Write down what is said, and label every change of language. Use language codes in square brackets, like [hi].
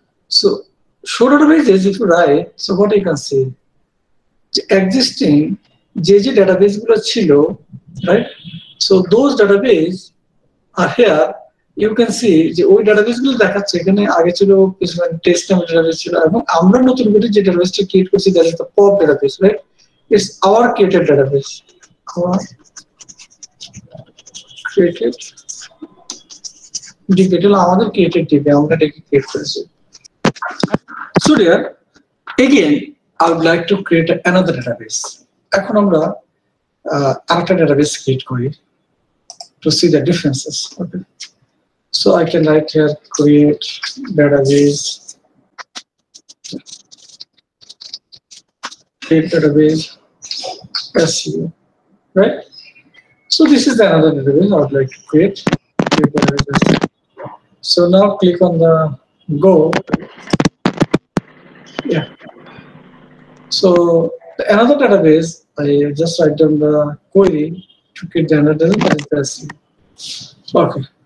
[en] so show databases if you write, so what you can see [bn] যে existing যে যে database গুলো ছিল, [en] Right? So those database আর here you can see [bn] যে ওই database গুলো দেখাচ্ছে এখানে আগে ছিল কিছুমান টেস্ট নামের ডেটাবেস ছিল, এবং আমরা নতুন করে যে ডেটাবেসটা ক্রিয়েট করছি [en] That is the pop database, right? It's our created database. Our created DB. It's our created DB. I'm going to take a create for this. So here, again, I would like to create another database. [bn] এখন আমরা আরেকটা database create করি [en] To see the differences. Okay, so I can write here create database. Create database SU, right? So this is another database I would like to create. Create database SU. So now click on the go. Yeah. So another database, I just write down the query to create another database. Okay.